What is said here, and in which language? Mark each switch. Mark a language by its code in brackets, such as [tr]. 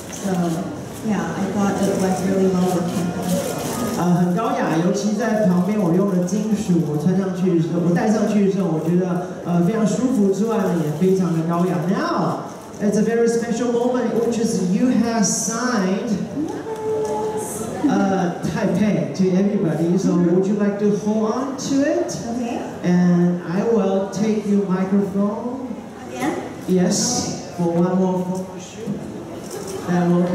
[en] So, yeah, I thought it went really well with people. [zh] 很高雅，尤其在旁边我用了金属，我戴上去的时候，我觉得非常舒服之外呢，也非常的高雅。 [en] Now, it's a very special moment, which is you have signed. Taipei to everybody. So, would you like to hold on to it? Okay. And I will take your microphone. Again? Yes. For one more photo shoot. That will be.